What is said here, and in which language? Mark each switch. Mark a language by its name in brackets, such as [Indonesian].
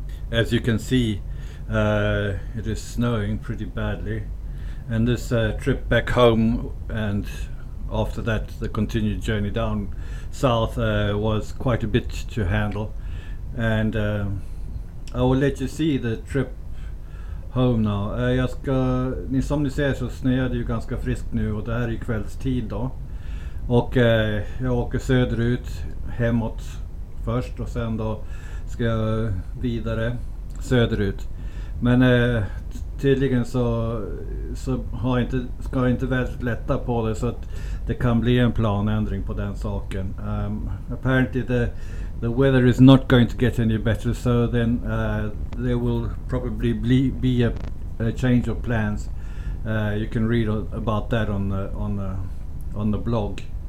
[English] As you can see, it is snowing pretty badly, and this trip back home and after that the continued journey down south was quite a bit to handle, and I will let you see the trip home now. [Swedish] Jag ska, ni som ni ser så snöar det ju ganska friskt nu och det här är ju kvällstid då. Och jag åker söderut hemåt först och sen då ska jag vidare söderut. Men tydligen så har inte, ska jag inte väldigt lätta på det, så att det kan bli en planändring på den saken. [English] Apparently the weather is not going to get any better, so then there will probably be a change of plans. You can read about that on the blog.